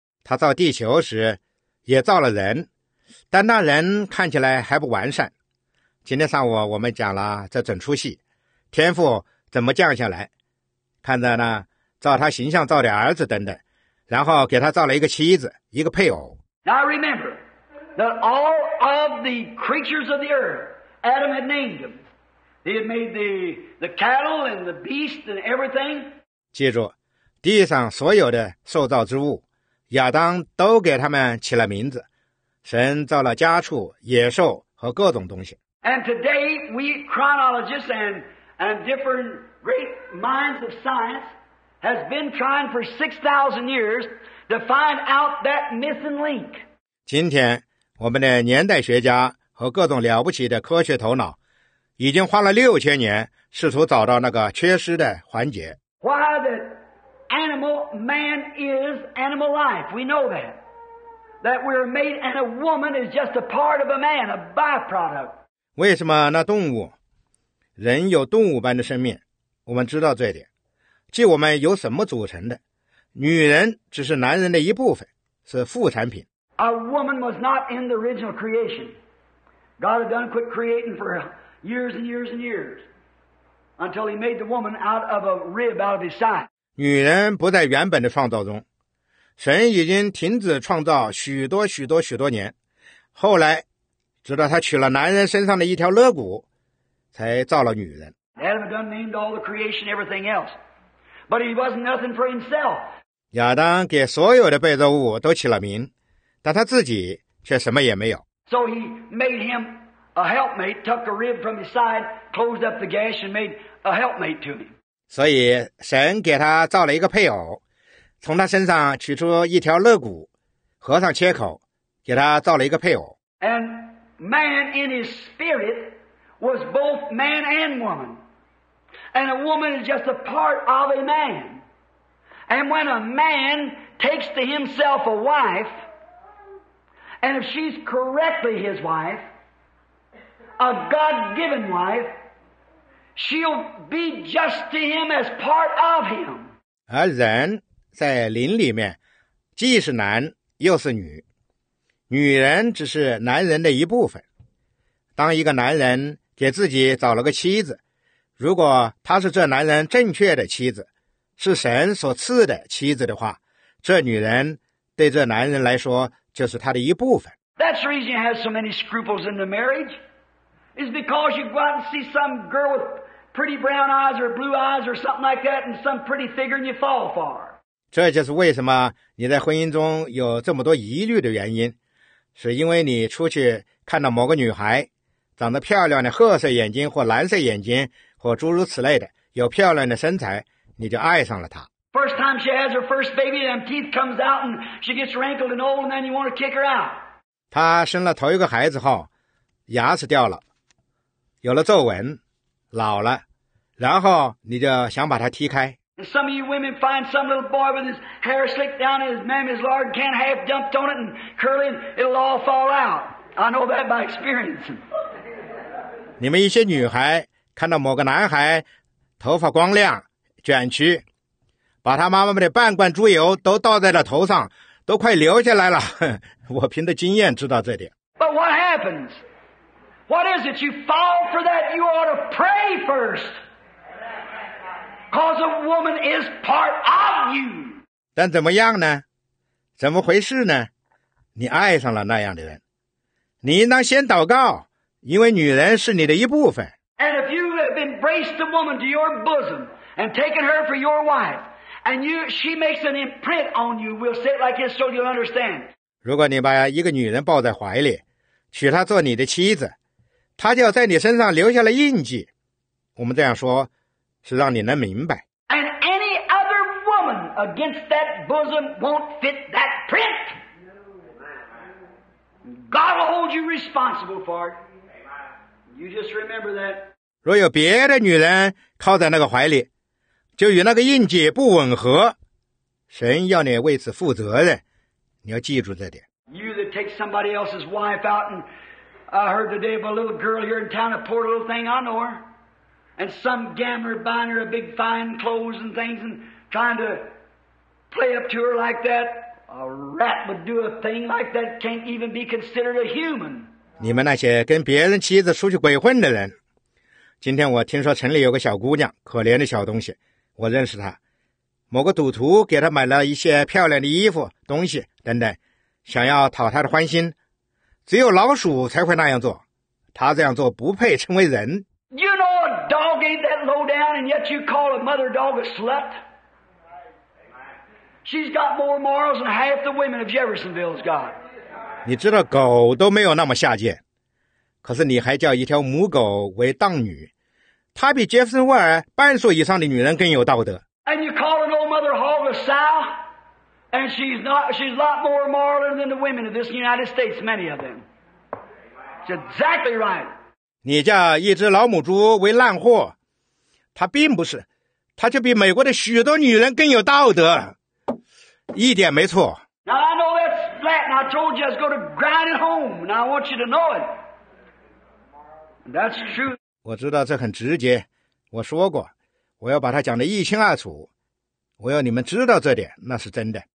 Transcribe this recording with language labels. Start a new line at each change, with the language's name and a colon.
Chinese: 他造地球时也造了人，但那人看起来还不完善。今天上午我们讲了这整出戏，天父怎么降下来，看着呢，照他形象造的儿子等等。然后给他造了一个妻子，一个配偶。
English: Now remember that all of the creatures of the earth, Adam had named them. He had made the cattle and the beast and everything.
Chinese: 记住，地上所有的受造之物，亚当都给他们起了名字。神造了家畜、野兽和各种东西。
English: And today we chronologists and different great minds of science. Has been trying for 6,000 years to find out that missing link.
Chinese: 今天我们的年代学家和各种了不起的科学头脑已经花了6000年试图找到那个缺失的环节。
English: Why the animal man is animal life? We know that. That we're made and a woman is just a part of a man, a byproduct.
Chinese: 为什么那动物人有动物般的生命，我们知道这点。即我们由什么组成的，女人只是男人的一部分，是副产品。
English: A woman was not in the original creation. God had done quit creating for years and years and years until he made the woman out of a rib out of his side.
Chinese: 女人不在原本的创造中，神已经停止创造许多许多许多年，后来直到他取了男人身上的一条肋骨才造了女人。
English: Adam had done named all the creation everything else. But he wasn't nothing for himself.
Chinese: 亚当给所有的被造物都起了名，但他自己却什么也没有。
English: So he made him a helpmate, took a rib from his side, closed up the gash, and made a helpmate to him.
Chinese: 所以神给他造了一个配偶，从他身上取出一条肋骨，合上切口，给他造了一个配偶。
English: And man in his spirit was both man and woman. And a woman is just a part of a man. And when a man takes to himself a wife, and if she's correctly his wife, a God-given wife, she'll be just to him as part of him.
Chinese: 而人在灵里面既是男又是女，女人只是男人的一部分。当一个男人给自己找了个妻子，如果他是这男人正确的妻子，是神所赐的妻子的话，这女人对这男人来说就是他的一部分。
English: That's the reason you have so many scruples in the marriage, is because you go out and see some girl with pretty brown eyes or blue eyes or something like that, and some pretty figure, and you fall for.
Chinese: 这就是为什么你在婚姻中有这么多疑虑的原因，是因为你出去看到某个女孩，长得漂亮的褐色眼睛或蓝色眼睛。或诸如此类的，有漂亮的身材，你就爱上了她。
English: First time she has her first baby, and teeth comes out, and she gets wrinkled and old, and then you want to kick her out.
Chinese: 她生了头一个孩子后，牙齿掉了，有了皱纹，老了，然后你就想把它踢开。
English: And some of you women find some little boy with his hair slicked down and his mammy's lard can't half dumped on it and curly and it'll all fall out. I know that by experience.
Chinese: 你们一些女孩看到某个男孩头发光亮卷曲，把他妈妈的半罐猪油都倒在了头上，都快流下来了。我凭着经验知道这点。
English: But what happens? What is it? You fall for that? You ought to pray first. Because a woman is part of you.
Chinese: 但怎么样呢？怎么回事呢？你爱上了那样的人，你应当先祷告，因为女人是你的一部分。
English: And if you have embraced a woman to your bosom and taken her for your wife, and you, she makes an imprint on you, we'll say it like this so you'll understand.
Chinese: 如果你把一个女人抱在怀里，娶她做你的妻子，她就在你身上留下了印记。我们这样说。是让你能明白。
English: And any other woman against that bosom won't fit that print. God will hold you responsible for it. You just remember that.
Chinese: 若有别的女人靠在那个怀里，就与那个印记不吻合，神要你为此负责任，你要记住这点。
English: You that take somebody else's wife out and I heard the day of a little girl here in town, a poor little thing, I know her. And some gambler buying her a big fine clothes and things and trying to play up to her like that. A rat would do a thing like that can't even be considered a human.
Chinese: 你们那些跟别人妻子出去鬼混的人，今天我听说城里有个小姑娘，可怜的小东西，我认识她。某个赌徒给她买了一些漂亮的衣服、东西等等，想要讨她的欢心。只有老鼠才会那样做，她这样做不配称为人。
English: You know a dog ain't that low down, and yet you call a mother dog a slut? She's got more morals than half the women of Jeffersonville's got.
Chinese: 你知道狗都没有那么下贱，可是你还叫一条母狗为荡女，她比杰弗森威尔半数以上的女人更有道德。
English: And you call an old mother hog a sow, and she's a lot more moral than the women of this United States, many of them. That's exactly right.
Chinese: 你叫一只老母猪为烂货，她并不是，她就比美国的许多女人更有道德，一点没错。
English: Now I know that's Latin. I told you I was going to grind it home, and I want you to know it. That's true.
Chinese: 我知道这很直接，我说过，我要把它讲得一清二楚，我要你们知道这点，那是真的。